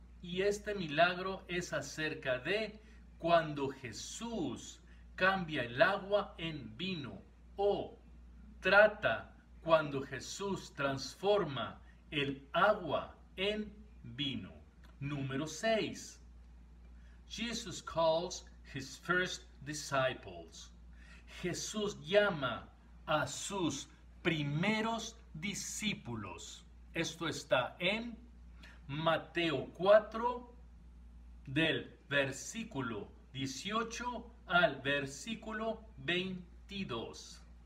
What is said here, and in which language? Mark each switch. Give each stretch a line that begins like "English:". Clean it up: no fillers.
Spanish: Y este milagro es acerca de cuando Jesús cambia el agua en vino o trata cuando Jesús transforma el agua en vino. Número 6.
English: Jesus calls his first disciples.
Spanish: Jesús llama a sus primeros discípulos. Esto está en Mateo 4, del versículo 18 al versículo 22.